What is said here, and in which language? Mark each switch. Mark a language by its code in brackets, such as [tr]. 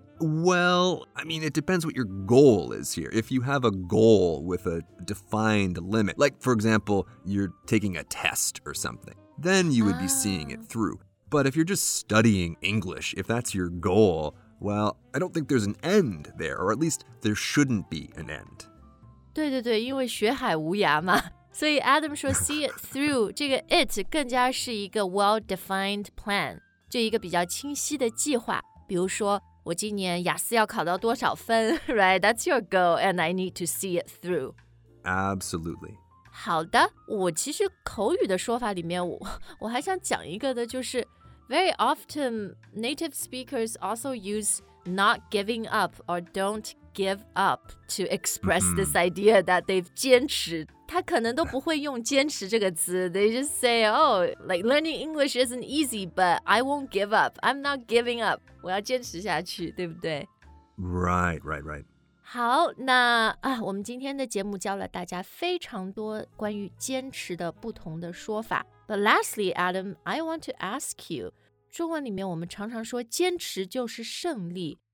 [en] Well, I mean, it depends what your goal is here. If you have a goal with a defined limit, like, for example, you're taking a test or something, then you would be seeing it through. But if you're just studying English, if that's your goal, well, I don't think there's an end there, or at least there shouldn't be an end. [zh] 对对对，因为学海无涯嘛。所以 Adam 说 see it through, 这个 it 更加是一个 well-defined plan, 就一个比较清晰的计划。比如说我今年雅思要考到多少分 right? [en] That's your goal, and I need to see it through. Absolutely. [zh] 好的，我其实口语的说法里面 我还想讲一个的就是 [en] very often native speakers also use not giving up or don't give up to express、mm-hmm. this idea that they've [zh] 坚持他可能都不会用坚持这个词 [en] They just say, oh, like learning English isn't easy, but I won't give up. I'm not giving up. [zh] 我要坚持下去，对不对？ [en] Right, right, right. [zh] 好，那、我们今天的节目教了大家非常多关于坚持的不同的说法。 [en] But lastly, Adam, I want to ask you, [zh] 中文里面我们常常说坚持就是胜利。